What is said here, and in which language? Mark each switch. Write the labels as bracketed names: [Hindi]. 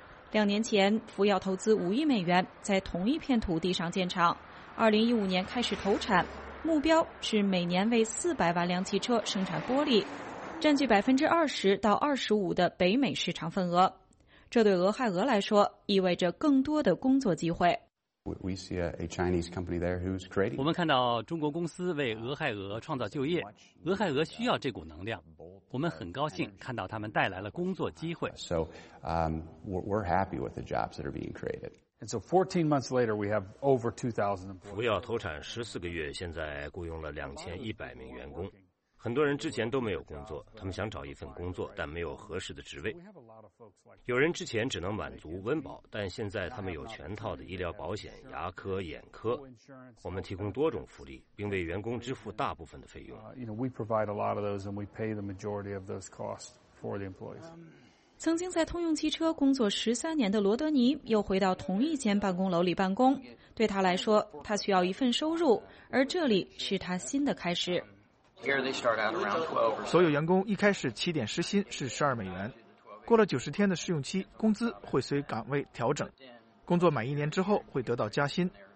[Chinese] 两年前，福耀投资5亿美元在同一片土地上建厂，2015年开始投产，目标是每年为400万辆汽车生产玻璃，占据20%-25%的北美市场份额。这对俄亥俄来说意味着更多的工作机会。我们看到中国公司为俄亥俄创造就业，俄亥俄需要这股能量，我们很高兴看到他们带来了工作机会。 [English] We're happy with the jobs that are being created. And so 14 months later, we have over 2,000 employees. [Chinese] 福耀投产14个月，现在雇佣了2100名员工。很多人之前都没有工作，他们想找一份工作，但没有合适的职位。有人之前只能满足温饱，但现在他们有全套的医疗保险、牙科、眼科。我们提供多种福利，并为员工支付大部分的费用。 [English] We provide a lot of those, and we pay the majority of those costs for the employees. [Chinese] 曾经在通用汽车工作13年的罗德尼又回到同一间办公楼里办公。对他来说，他需要一份收入，而这里是他新的开始。所有员工一开始起点时薪是12美元，过了90天的试用期，工资会随岗位调整，工作满一年之后会得到加薪。